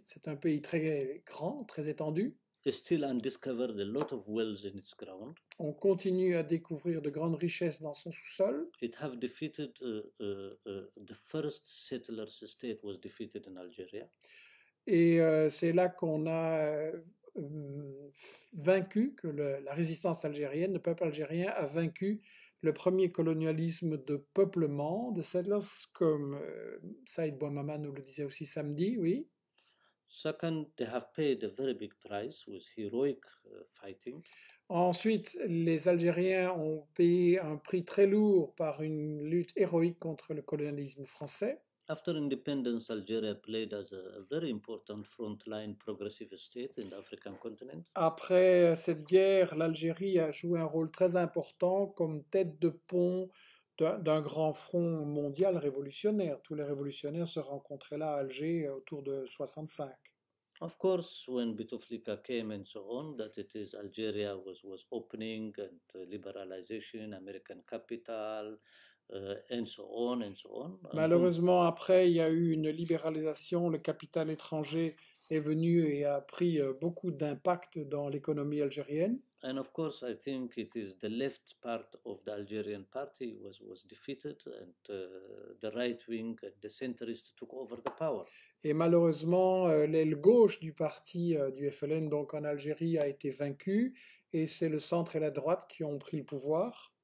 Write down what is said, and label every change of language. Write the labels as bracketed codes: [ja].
[fr] C'est un pays très grand, très étendu. [en] It's still undiscovered a lot of wealth in its ground. [fr] On continue à découvrir de grandes richesses dans son sous-sol. [en] It have defeated the first settlers state was defeated in Algeria. [fr] Et c'est là qu'on a vaincu que la résistance algérienne, le peuple algérien a vaincu le premier colonialisme de peuplement, de settlers, comme Saïd Bouamama nous le disait aussi samedi, oui. [en] Second, they have paid a very big price with heroic fighting. [fr] Ensuite, les Algériens ont payé un prix très lourd par une lutte héroïque contre le colonialisme français. [en] After independence, Algeria played as a very important frontline progressive state in the African continent. [fr] Après cette guerre, l'Algérie a joué un rôle très important comme tête de pont d'un grand front mondial révolutionnaire. Tous les révolutionnaires se rencontraient là à Alger autour de 65. [en] Of course, when Bouteflika came and so on, that it is Algeria was opening and liberalization, American capital, and so on and so on. [fr] Malheureusement, après, il y a eu une libéralisation. Le capital étranger est venu et a pris beaucoup d'impact dans l'économie algérienne. [en] And of course, I think it is the left part of the Algerian party was defeated, and the right wing, the centrists, took over the power. [fr] Et malheureusement, l'aile gauche du parti du FLN, donc en Algérie, a été vaincue, et c'est le centre et la droite qui ont pris le pouvoir.